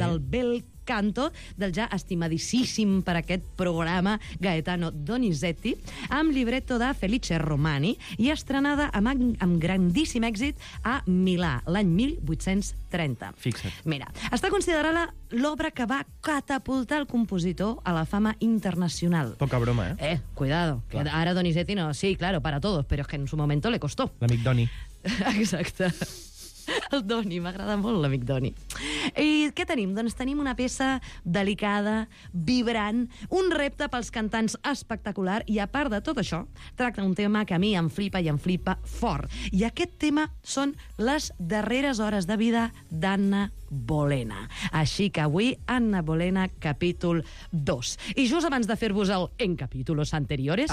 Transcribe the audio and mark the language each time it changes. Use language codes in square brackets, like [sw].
[ca] del bel canto del ja estimadíssim per aquest programa Gaetano Donizetti, amb libretto de Felice Romani i estrenada amb grandíssim èxit a Milà, l'any 1830. Fixa't. Mira, està considerada l'obra que va catapultar el compositor a la fama internacional. Poca broma, eh? [es] Cuidado. Claro. Ara Donizetti no, sí, claro, para todos, pero es que en su momento le costó. [ca] L'amic Doni. Exacte. El Doni, m'agrada molt l'amic Doni. I què tenim? Doncs tenim una peça delicada, vibrant, un repte pels cantants espectacular, i a part de tot això, tracta un tema que a mi em flipa i em flipa fort. I aquest tema són les darreres hores de vida d'Anna Bolena. Així que avui, Anna Bolena, capítol 2. I just abans de fer-vos el [es] en capítulos anteriores,